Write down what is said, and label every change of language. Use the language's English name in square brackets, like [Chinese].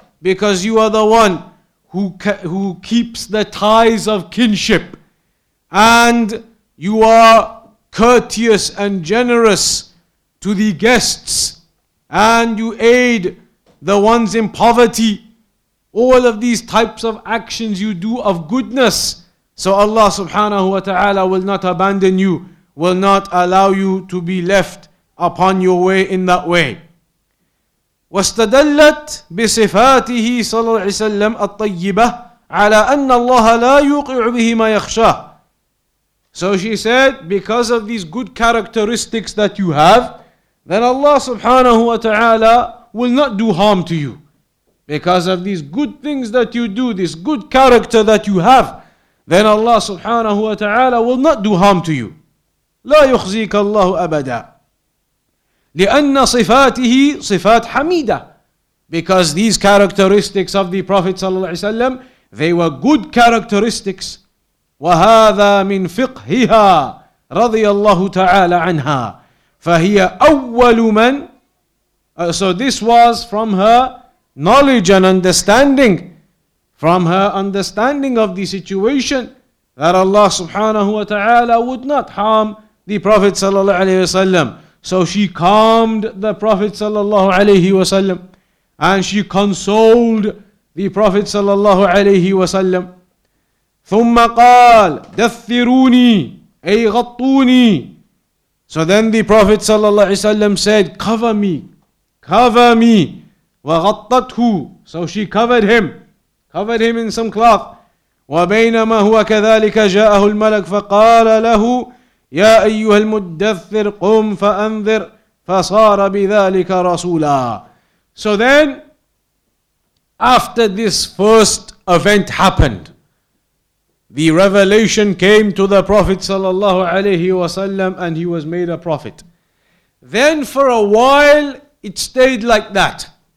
[English] Because you are the one who keeps the ties of kinship, and you are courteous and generous to the guests, and you aid the ones in poverty. All of these types of actions you do of goodness, so Allah subhanahu wa ta'ala will not abandon you. will not allow you to be left upon your way in that way. [Arabic] واستدلت بصفاته صلى الله عليه وسلم الطيبة على أن الله لا يوقع به ما يخشاه. [English] So she said, because of these good characteristics that you have, then Allah subhanahu wa ta'ala will not do harm to you. Because of these good things that you do, this good character that you have, then Allah subhanahu wa ta'ala will not do harm to you. [Arabic] لا يخزيك الله أبدا. لأن صفاته صفات حميدة. [English] Because these characteristics of the Prophet صلى الله عليه وسلم, they were good characteristics. [Arabic] وهذا من فقهها رضي الله تعالى عنها فهي أول من. [English] So this was from her knowledge and understanding, from her understanding of the situation, that Allah subhanahu wa ta'ala would not harm the Prophet sallallahu alayhi wa sallam. So she calmed the Prophet sallallahu alayhi wa sallam, and she consoled the Prophet sallallahu alayhi wa sallam. [Arabic] ثم قال دثروني أي غطوني. [English] So then the Prophet صلى الله عليه وسلم said, cover me, cover me. [Arabic] وغطته. [English] So she covered him, covered him in some cloth. [Arabic] وبينما هو كذلك جاءه الملك فقال له يا أيها المدثر قم فأنذر فصار بذلك رسولا. [English] So then after this first event happened, the revelation came to the Prophet sallallahu alayhi wa sallam and he was made a prophet. Then for a while it stayed like that.